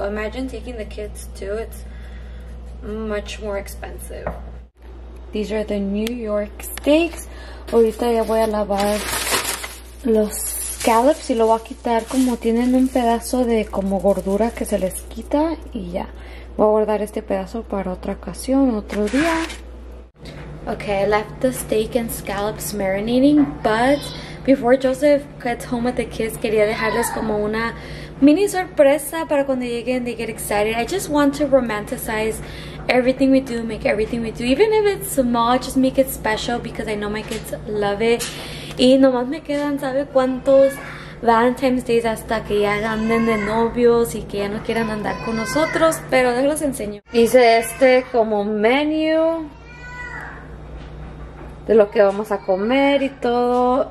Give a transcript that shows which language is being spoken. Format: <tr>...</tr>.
<en>So imagine taking the kids too, it's much more expensive. These are the New York steaks.</en> <es>Ahorita ya voy a lavar los scallops y lo voy a quitar como tienen un pedazo de como gordura que se les quita y ya. Voy a guardar este pedazo para otra ocasión, otro día.</es> <en>Okay, I left the steak and scallops marinating, but before Joseph gets home with the kids,</en> <es>quería dejarles como una mini sorpresa para cuando lleguen,</es> <en>they get excited. I just want to romanticize everything we do, make everything we do, even if it's small, just make it special because I know my kids love it.</en> <es>Y nomás me quedan, ¿sabe cuántos Valentine's Days hasta que ya anden de novios y que ya no quieran andar con nosotros? Pero déjalos enseño. Hice este como menu de lo que vamos a comer y todo.</es>